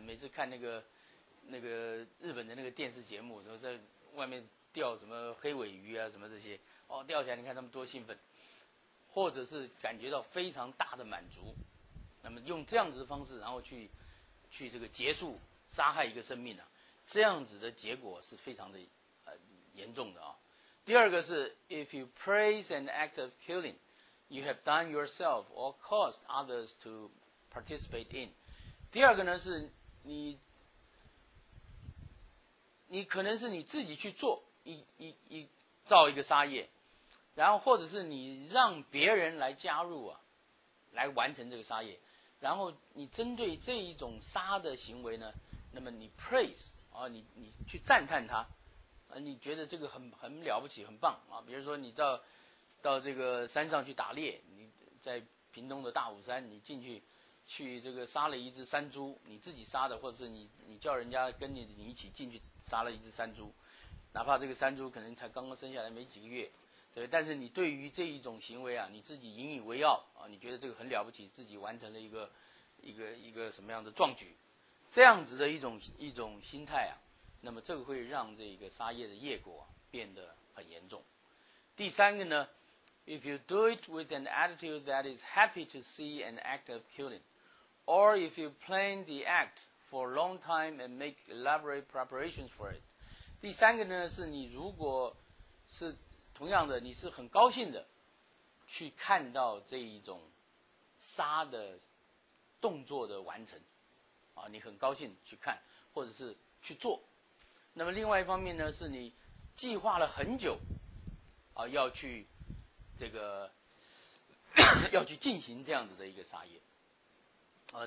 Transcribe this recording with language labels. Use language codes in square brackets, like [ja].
[zh] 每次看那个日本的那个电视节目，说在外面钓什么黑尾鱼啊什么这些，哦，钓起来你看他们多兴奋，或者是感觉到非常大的满足，那么用这样子的方式，然后去这个结束杀害一个生命啊，这样子的结果是非常的严重的啊。第二个是 [en] ，if you praise an act of killing, you have done yourself or caused others to participate in。 [zh] 第二个呢是你可能是你自己去做一造一个杀业，然后或者是你让别人来加入啊，来完成这个杀业，然后你针对这一种杀的行为呢，那么你 praise 啊，你去赞叹他。你觉得这个很了不起，很棒啊！比如说你到这个山上去打猎，你在屏东的大武山，你进去这个杀了一只山猪，你自己杀的，或者是你叫人家跟你一起进去杀了一只山猪，哪怕这个山猪可能才刚刚生下来没几个月，对，但是你对于这一种行为啊，你自己引以为傲啊，你觉得这个很了不起，自己完成了一个什么样的壮举，这样子的一种心态啊。那么这个会让这个杀业的业果变得很严重。第三个呢， [en] If you do it with an attitude that is happy to see an act of killing, or if you plan the act for a long time and make elaborate preparations for it。 [zh] 第三个呢是你如果是同样的，你是很高兴的去看到这一种杀的动作的完成啊，你很高兴去看或者是去做。那么另外一方面呢，是你计划了很久啊，要去这个要去进行这样子的一个杀业啊。